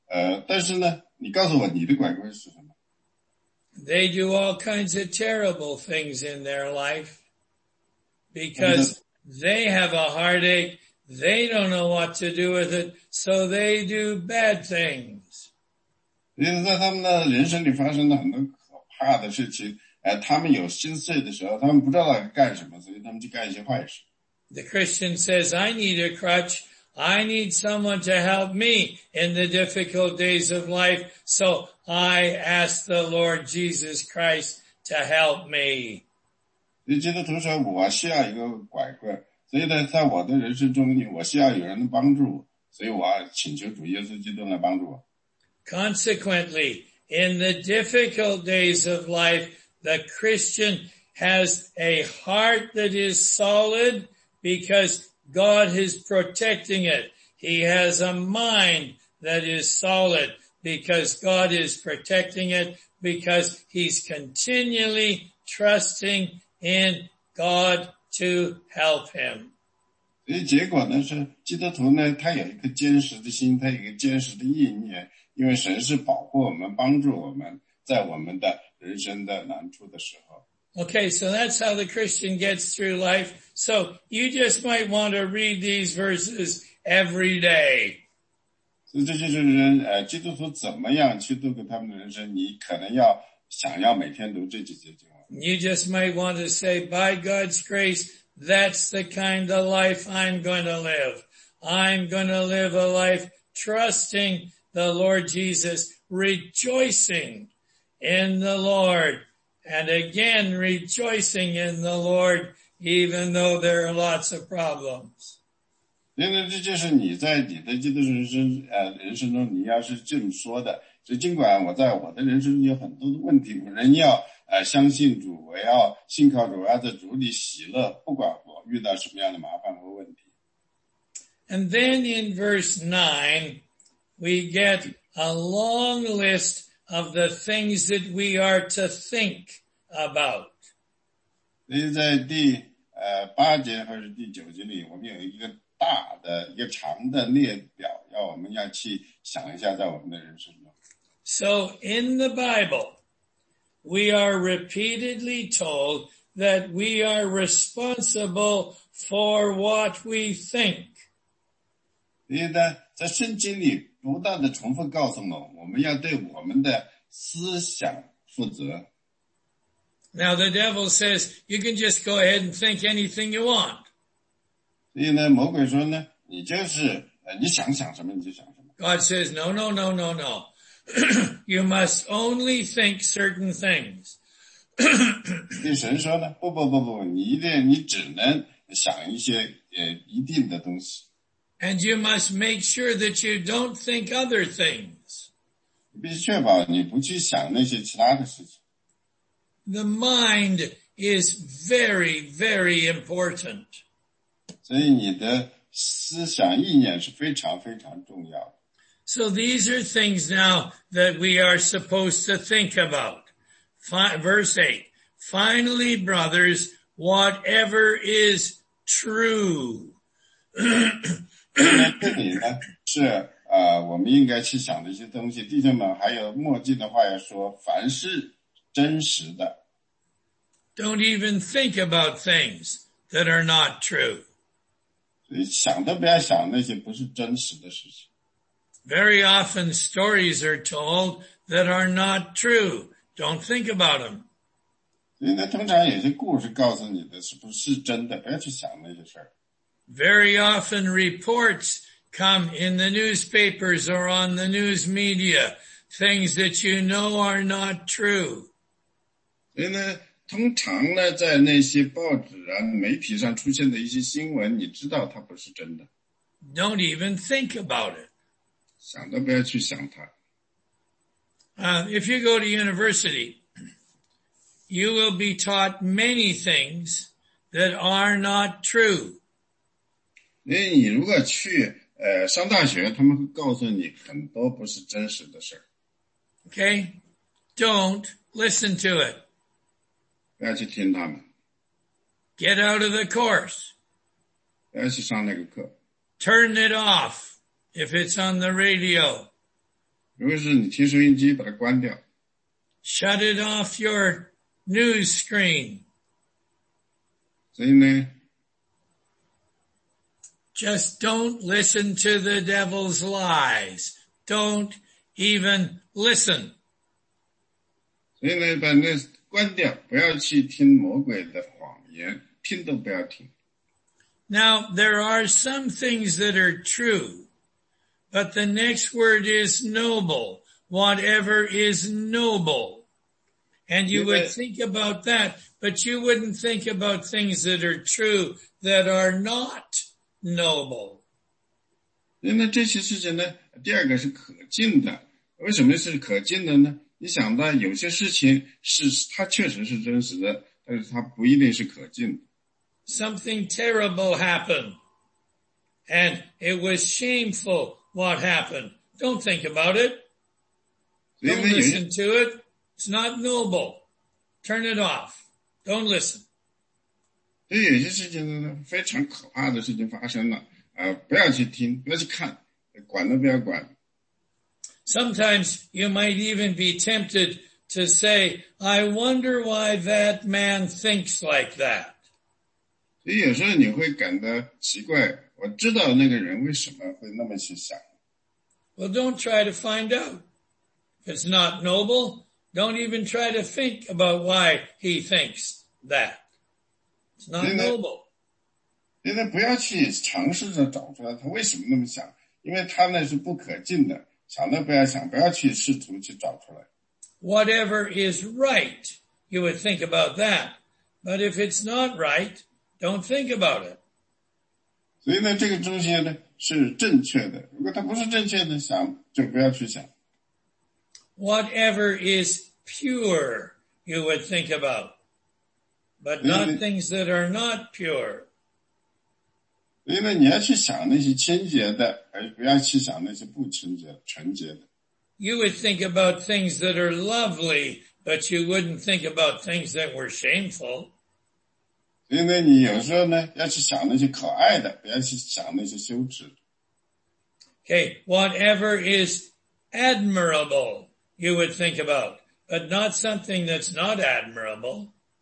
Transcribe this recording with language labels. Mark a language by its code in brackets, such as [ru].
[zh] 那我说这可能是对的，但是呢，你告诉我你的拐棍是什么 [en] ？They do all kinds of terrible things in their life because they have a heartache. They don't know what to do with it, so they do bad things. [zh] 因为在他们的人生里发生了很多可怕的事情，他们有心碎的时候，他们不知道干什么，所以他们就干一些坏事。 [en] The Christian says, "I need a crutch." I need someone to help me in the difficult days of life, so I ask the Lord Jesus Christ to help me. [zh] 基督徒说，我需要一个拐棍，所以呢，在我的人生中，我需要有人帮助。所以我请求主耶稣基督来帮助我。 [en] Consequently, in the difficult days of life, the Christian has a heart that is solid because God is protecting it. He has a mind that is solid because God is protecting it, because he's continually trusting in God to help him. [zh] 所以结果呢是基督徒呢他有一个坚实的心他有一个坚实的意念因为神是保护我们帮助我们在我们的人生的难处的时候。 [en] Okay, so that's how the Christian gets through life. So you just might want to read these verses every day. [zh] 所以这就是人基督徒怎么样去度过他们的人生你可能要想要每天读这几节经文。 [en] You just might want to say, by God's grace,That's the kind of life I'm going to live. I'm going to live a life trusting the Lord Jesus, rejoicing in the Lord, and again rejoicing in the Lord, even though there are lots of problems. [zh] 因为这就是你在你的基督人生中你要是这么说的，就尽管我在我的人生有很多的问题，仍要相信主，我要信靠主，我要在主里喜乐，不管我遇到什么样的麻烦和问题。 [en] And then in verse 9, we get a long list of the things that we are to think about. [zh] 在第八节或者第九节里，我们有一个大的、一个长的列表，要我们要去想一下在我们的人生中。 [en] So in the Bible,We are repeatedly told that we are responsible for what we think. [zh] 因为呢，在圣经里不断的重复告诉我们，我们要对我们的思想负责。 [en] Now the devil says, you can just go ahead and think anything you want. [zh] 所以呢，魔鬼说呢，你就是，你想想什么你就想什么。 [en] God says, no, no, no, no, no. You must only think certain things. [zh] 对神说呢，不不不不，你一定，你只能想一些一定的东西。 [en] And you must make sure that you don't think other things. [zh] 你必须确保你不去想那些其他的事情。 [en] The mind is very, very important. [zh] 所以你的思想意念是非常非常重要的。 [en] So these are things now that we are supposed to think about. Verse 8. Finally, brothers, whatever is true. [zh] 这里呢是我们应该去想的一些东西。弟兄们还有墨迹的话要说凡是真实的。 [en] Don't even think about things that are not true. [zh] 想都不要想那些不是真实的事情。 [en] Very often stories are told that are not true. Don't think about them. [zh] 因为通常有些故事告诉你的是不是真的，不要去想那些事儿。 [en] Very often reports come in the newspapers or on the news media, things that you know are not true. [zh] 所以呢，通常呢，在那些报纸啊、媒体上出现的一些新闻，你知道它不是真的。 [en] Don't even think about it. [zh] 想都不要去想它。 [en] If you go to university, you will be taught many things that are not true. [zh] 因为你如果去上大学，他们会告诉你很多不是真实的事儿。 [en] Okay, don't listen to it. [zh] 不要去听他们。 [en] Get out of the course. [zh] 不要去上那个课。 [en] Turn it off. If it's on the radio, [zh] 如果是你听收音机，把它关掉。 [en] Shut it off your news screen. [zh] 所以呢 [en] ，just don't listen to the devil's lies. Don't even listen. [zh] 所以呢，把那关掉，不要去听魔鬼的谎言，听都不要听。 [en] Now there are some things that are true. But the next word is noble, whatever is noble. And you would think about that, but you wouldn't think about things that are true that are not noble. [zh] 那这些事情呢，第二个是可敬的。为什么是可敬的呢？你想到有些事情是它确实是真实的，但是它不一定是可敬的。 [en] Something terrible happened, and it was shameful what happened. Don't think about it. Don't listen to it. It's not noble. Turn it off. Don't listen. [zh] 所以有些事情呢，非常可怕的事情发生了，不要去听，不要去看，管都不要管。 [en] Sometimes you might even be tempted to say, I wonder why that man thinks like that. [zh] 所以有时候你会感到奇怪，我知道那个人为什么会那么去想。 [en] Well, don't try to find out. If it's not noble, don't even try to think about why he thinks that. It's not noble. [zh] 现在不要去尝试着找出来他为什么那么想，因为他那是不可敬的。想都不要想，不要去试图去找出来。 [en] Whatever is right, you would think about that. But if it's not right, don't think about it. [zh] 所以呢，这个东西呢是正确的。如果它不是正确的，想就不要去想。 [en] Whatever is pure, you would think about. But not things that are not pure. [zh] 所以呢，你要去想那些清洁的。不要去想那些不纯洁、纯洁的。 [en] You would think about things that are lovely, but you wouldn't think about things that were shameful. [zh] 因为你有时候呢，要去想那些可爱的，不要去想那些羞耻。 [en] Okay, whatever is admirable, you would think about, but not something that's not admirable.